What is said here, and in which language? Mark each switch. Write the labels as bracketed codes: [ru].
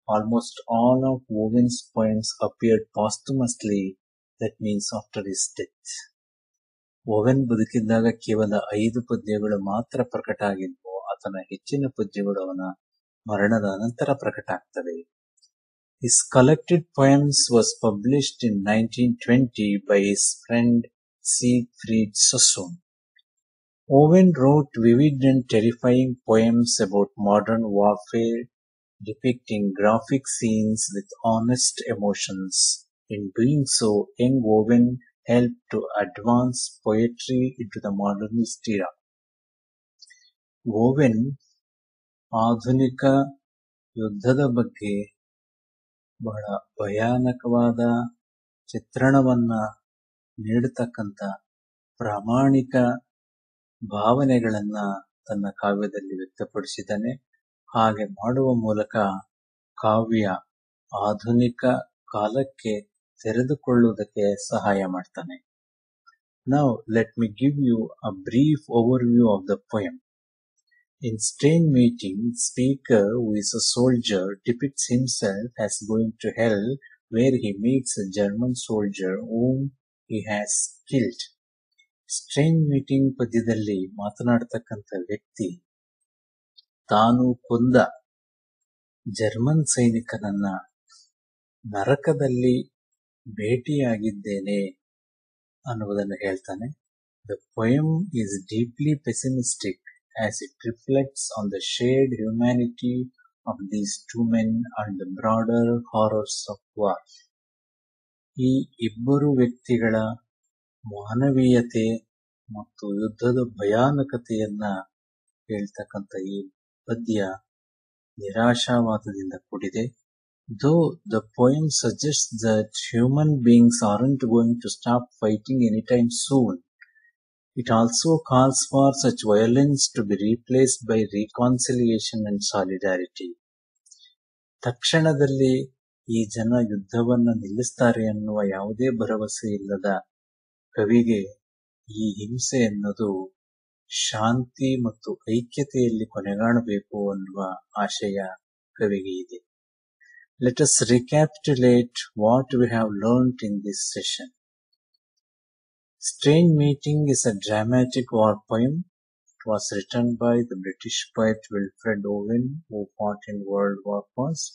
[en] Almost all of Owen's poems appeared posthumously, that means after his death. [kn] Oven ಬದುಕಿದ್ದಾಗ ಕೇವಲ 5 ಪದ್ಯಗಳು ಮಾತ್ರ ಪ್ರಕಟ ಆಗಿದ್ವು. ಆತನ ಹೆಚ್ಚಿನ ಪದ್ಯಗಳು ಅವನ ಮರಣದ ನಂತರ ಪ್ರಕಟ ಆಗ್ತವೆ. [en] His collected poems was published in 1920 by his friend Siegfried Sassoon. Owen wrote vivid and terrifying poems about modern warfare, depicting graphic scenes with honest emotions. In doing so, young Owen helped to advance poetry into the modernist era. [kn] Owen, ಆಧುನಿಕ ಯುದ್ಧದ ಬಗ್ಗೆ ಬಹಳ ಭಯಾನಕವಾದ ಚಿತ್ರಣವನ್ನ ನೀಡತಕ್ಕಂತ ಪ್ರಾಮಾಣಿಕ ಭಾವನೆಗಳನ್ನ ತನ್ನ ಕಾವ್ಯದಲ್ಲಿ ವ್ಯಕ್ತಪಡಿಸಿದ್ದಾನೆ. ಹಾಗೆ ಮಾಡುವ ಮೂಲಕ ಕಾವ್ಯ ಆಧುನಿಕ ಕಾಲಕ್ಕೆ ತೆರೆದುಕೊಳ್ಳುವುದಕ್ಕೆ ಸಹಾಯ ಮಾಡ್ತಾನೆ. [en] Now let me give you a brief overview of the poem. In Strain Meeting, Speaker, who is a soldier, depicts himself as going to hell, where he meets a German soldier whom he has killed. [kn] Strain Meeting ಪದ್ಯದಲ್ಲಿ ಮಾತನಾಡತಕ್ಕಂತ ವ್ಯಕ್ತಿ ತಾನು ಕೊಂದ German ಸೈನಿಕನನ್ನ ನರಕದಲ್ಲಿ ಭೇಟಿಯಾಗಿದ್ದೇನೆ ಅನ್ನುವುದನ್ನು ಹೇಳ್ತಾನೆ. [en] The poem is deeply pessimistic as it reflects on the shared humanity of these two men and the broader horrors of war. [kn] ಈ ಇಬ್ಬರು ವ್ಯಕ್ತಿಗಳ ಮಾನವೀಯತೆ ಮತ್ತು ಯುದ್ಧದ ಭಯಾನಕತೆಯನ್ನ ಹೇಳ್ತಕ್ಕಂಥ ಈ ಪದ್ಯ ನಿರಾಶಾವಾದದಿಂದ ಕೂಡಿದೆ. [en] Though the poem suggests that human beings aren't going to stop fighting anytime soon, it also calls for such violence to be replaced by reconciliation and solidarity. [kn] ತಕ್ಷಣದಲ್ಲಿ ಈ ಜನ ಯುದ್ಧವನ್ನು ನಿಲ್ಲಿಸ್ತಾರೆ ಅನ್ನುವ ಯಾವುದೇ ಭರವಸೆ ಇಲ್ಲದ ಕವಿಗೆ ಈ ಹಿಂಸೆ ಎನ್ನುವುದು ಶಾಂತಿ ಮತ್ತು ಐಕ್ಯತೆಯಲ್ಲಿ ಕೊನೆಗಾಣಬೇಕು ಅನ್ನುವ ಆಶಯ ಕವಿಗೆ ಇದೆ. [en] Let us recapitulate what we have learnt in this session. Strange Meeting is a dramatic war poem. It was written by the British poet Wilfred Owen, who fought in World War I.